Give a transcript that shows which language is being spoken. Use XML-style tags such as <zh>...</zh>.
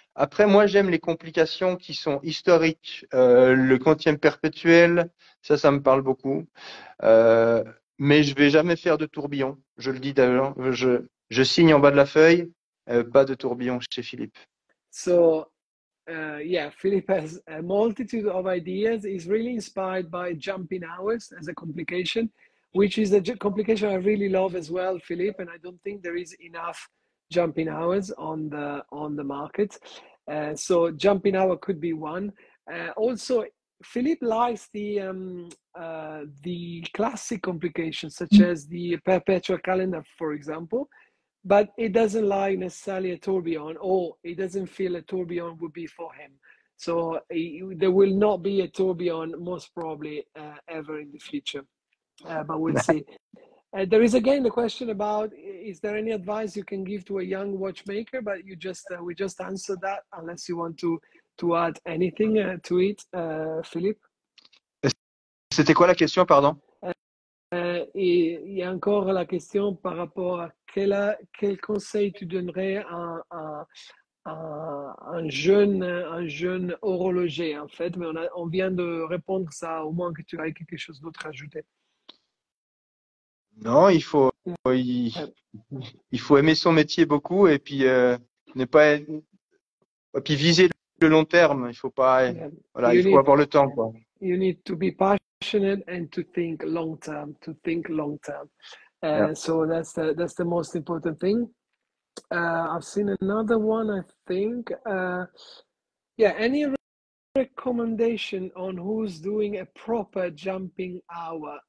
<fr>Après, moi, j'aime les complications qui sont historiques. Le quantième perpétuel, ça me parle beaucoup. Mais je vais jamais faire de tourbillon. Je le dis d'ailleurs. Je signe en bas de la feuille, pas de tourbillon chez Philippe.</fr> <en>So, yeah, Philippe has a multitude of ideas. He's really inspired by jumping hours as a complication, which is a complication I really love as well, Philippe. And I don't think there is enough jumping hours on the market. So jumping hour could be one. Also, Philippe likes the classic complications such as the perpetual calendar, for example, but it doesn't like necessarily a tourbillon, or he doesn't feel a tourbillon would be for him. So there will not be a tourbillon most probably ever in the future, but we'll see. There is again the question about, is there any advice you can give to a young watchmaker? But you just we just answered that, unless you want to add anything to it, Philippe.</en> <fr>C'était quoi la question, pardon? Il y a encore la question par rapport à quel conseil tu donnerais à un jeune horloger, en fait. Mais on vient de répondre ça, au moins que tu aies quelque chose d'autre à ajouter. Non, il faut aimer son métier beaucoup et puis ne pas viser le long terme. Il faut pas, voilà, il faut avoir le temps, quoi.</fr> <en>You need to be passionate and to think long term. To think long term. So that's the most important thing. I've seen another one. I think. Any recommendation on who's doing a proper jumping hour?</en>